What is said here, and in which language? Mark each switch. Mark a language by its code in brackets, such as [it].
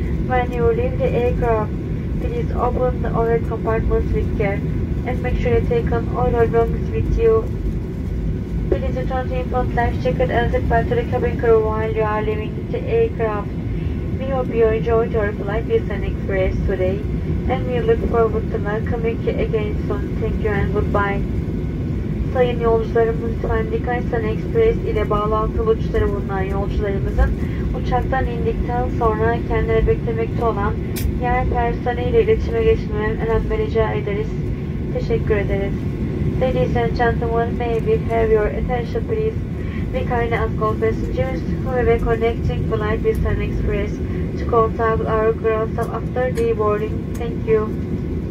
[en] When you leave the aircraft, please open the overhead compartments with care and make sure you take on all your belongings with you. Please return to in-flight life jacket and seatbelt to the cabin crew while you are leaving the aircraft. We hope you enjoyed your flight with SunExpress today and we look forward to welcoming you again soon. Thank you and goodbye. [tr] Sayın yolcularımız, lütfen dikkat edin. SunExpress ile bağlantılı uçuşları bulunan yolcularımızın uçaktan indikten sonra kendileri beklemekte olan yer personeli ile iletişime geçmeye önem rica ederiz. Teşekkür ederiz. [en] Ladies and gentlemen, may we have your attention please. We kindly ask all passengers who have a connecting flight with SunExpress to contact our ground staff after the boarding. Thank you.